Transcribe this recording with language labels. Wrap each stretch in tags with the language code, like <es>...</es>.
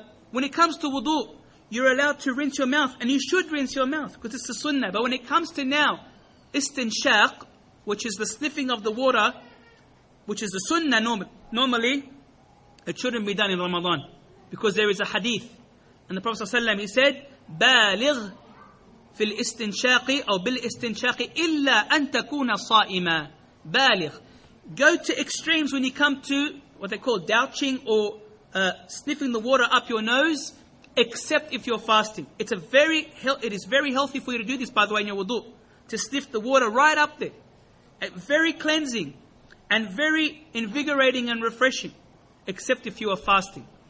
<en>When it comes to wudu, you're allowed to rinse your mouth, and you should rinse your mouth because it's the sunnah. But when it comes to now, istinshaq, which is the sniffing of the water, which is the sunnah normally, it shouldn't be done in Ramadan because there is a hadith. And the Prophet ﷺ, he said,</en> <ar>بَالِغْ فِي الْإِسْتِنْشَاقِ أَوْ بِالْإِسْتِنْشَاقِ إِلَّا أَن تَكُونَ صَائِمًا بَالِغْ.</ar> <en>Go to extremes when you come to what they call douching or sniffing the water up your nose, except if you're fasting. It is very healthy for you to do this, by the way, in your wudu, to sniff the water right up there. Very cleansing and very invigorating and refreshing, except if you are fasting.</en>